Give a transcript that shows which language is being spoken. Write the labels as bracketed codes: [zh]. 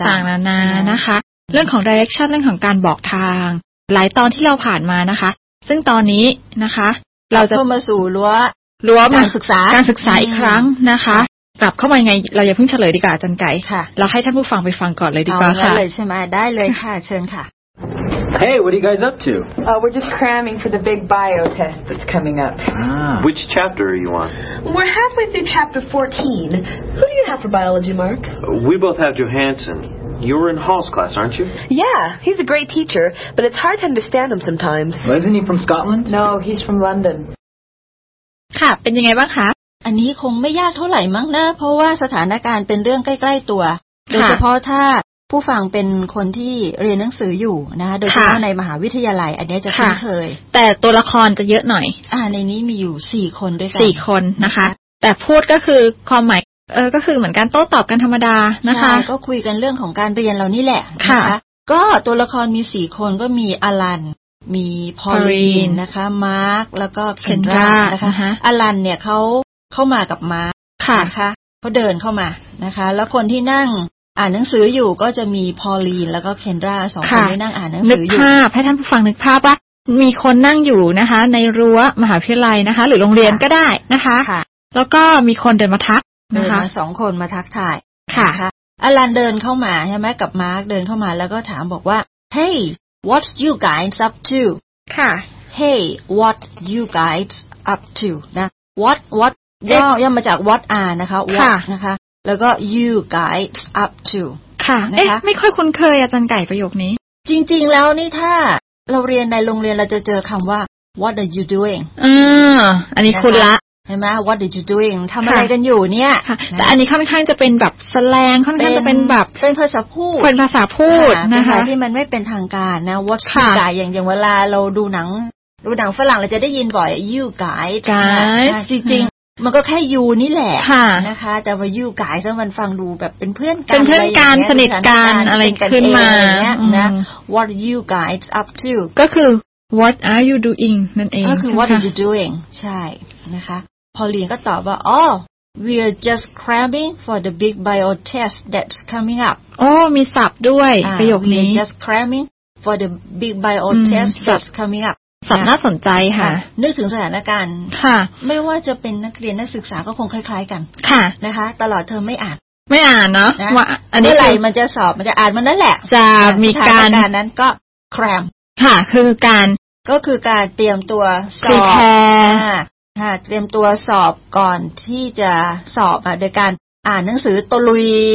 [th] ต่างๆนานานะคะเรื่องของดิเรกชันเรื่องของการบอกทางหลายตอนที่เราผ่านมานะคะซึ่งตอนนี้นะคะเราจะ เข้ามาสู่ รั้ว การศึกษา การศึกษาอีกครั้งนะคะกลับเข้ามาไงเราอย่าเพิ่งเฉลยดีกว่าอาจารย์ไก่ ค่ะ เราให้ท่านผู้ฟังไปฟังก่อนเลยดีกว่าค่ะ ได้เลยใช่ไหมได้เลยค่ะเชิญค่ะ [en] Hey, what are you guys up to? We're just cramming for the big bio test that's coming up. Ah. Which chapter are you on? We're halfway through chapter 14. Who do you have for biology, Mark? We both have Johansson. You're in Hall's class, aren't you? Yeah, he's a great teacher, but it's hard to understand him sometimes. Well, isn't he from Scotland? No, he's from London. [th] ค่ะ เป็นยังไงบ้างคะ อันนี้คงไม่ยากเท่าไหร่มั้งนะ เพราะว่าสถานการณ์เป็นเรื่องใกล้ๆตัว โดยเฉพาะถ้าผู้ฟังเป็นคนที่เรียนหนังสืออยู่นะโดยเฉพาะในมหาวิทยาลัยอันนี้จะคุ้นเคย แต่ตัวละครจะเยอะหน่อย ในนี้มีอยู่4คนด้วยกัน 4คนนะคะแต่พูดก็คือความหมายก็คือเหมือนการโต้ตอบกันธรรมดานะคะ ก็คุยกันเรื่องของการเรียนเรานี่แหละนะคะก็ตัวละครมี4คนก็มีอลันมีพอลีนนะคะมาร์คแล้วก็เคนรานะคะอลันเนี่ยเข้ามากับมาร์ค นะคะเค้าเดินเข้ามานะคะแล้วคนที่นั่งอ่านหนังสืออยู่ก็จะมีพอลีนแล้วก็เคนราสองคนได้นั่งอ่านหนังสืออยู่ นึกภาพให้ท่านผู้ฟังนึกภาพว่ามีคนนั่งอยู่นะคะในรั้วมหาวิทยาลัยนะคะหรือโรงเรียนก็ได้นะคะ แ ล้วก็มีคนเดินมาทักนะคะ สองคนมาทักทาย ค่ะ ค่ะอลันเดินเข้ามาใช่ไหมกับมาร์คเดินเข้ามาแล้วก็ถามบอกว่า [en] Hey what's you guys up to [th] ค่ะ [en] Hey what you guys up to นะ what [th] ย่อมาจาก [en] what are นะคะ what นะคะแล้วก็ you guys up to [th] ค่ะนะคะไม่ค่อยคุ้นเคยอาจารย์ไก่ประโยคนี้จริงๆแล้วนี่ถ้าเราเรียนในโรงเรียนเราจะเจอคำว่า [en] what are you doing [th] อันนี้คุณละ เห็นไหม [en] what are you doing [th] ทำอะไรกันอยู่เนี่ย แต่อันนี้ค่อนข้างจะเป็นแบบสแลงค่อนข้างจะเป็นแบบ เป็นภาษาพูด เป็นภาษาพูดนะคะ ที่มันไม่เป็นทางการนะ [en] what you guys [th] อย่างเวลาเราดูหนังฝรั่งเราจะได้ยินบ่อย you [en] guys [th] จริงมันก็แค่ยูนี่แหละนะคะแต่ว่ายูกายซะมันฟังดูแบบเป็นเพื่อนกัน เป็นเพื่อนกันสนิทกันอะไรขึ้นมาน [en] ะ What you guys up to [th] ก็คื [en] What are you doing [th] นั่นเอง [en] ก็คือ What are you doing [th] ใช่นะคะพอลีนก็ตอบว่าอ๋อ [en] oh, we are just cramming for the big bio test that's coming up [th] อ๋อมีศัพท์ด้วยประโยคนี้ [en] we are just cramming for the big bio test that's coming up [th] ศัพท์น่าสนใจค่ะ นึกถึงสถานการณ์ค่ะ ไม่ว่าจะเป็นนักเรียนนักศึกษาก็คงคล้ายๆกัน ค่ะ นะคะตลอดเทอมไม่อ่าน ไม่อ่านเนาะ ว่าอันนี้อะไรมันจะสอบมันจะอ่านมันนั่นแหละ จะมีการ สถานการณ์นั้นก็ cram ค่ะคือการ ก็คือการเตรียมตัวสอบค่ะเตรียมตัวสอบก่อนที่จะสอบอ่ะโดยการอ่านหนังสือตะลุย